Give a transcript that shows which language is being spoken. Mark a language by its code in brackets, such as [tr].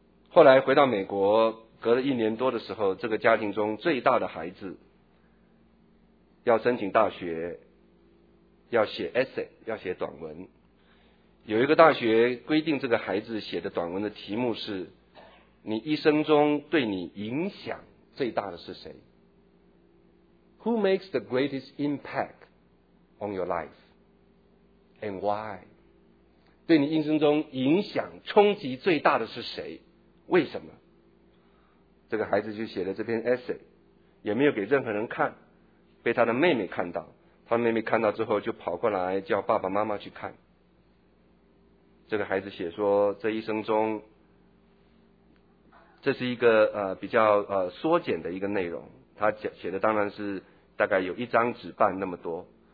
[zh] 后来回到美国，隔了一年多的时候，这个家庭中最大的孩子要申请大学，要写 essay， 要写短文。有一个大学规定这个孩子写的短文的题目是，你一生中对你影响最大的是谁？ [en] Who makes the greatest impact on your life and why？ [zh] 对你一生中影响冲击最大的是谁？为什么？这个孩子就写了这篇 essay， 也没有给任何人看，被他的妹妹看到。他妹妹看到之后就跑过来叫爸爸妈妈去看。这个孩子写说，这一生中，这是一个比较缩减的一个内容，他写的当然是大概有一张纸半那么多。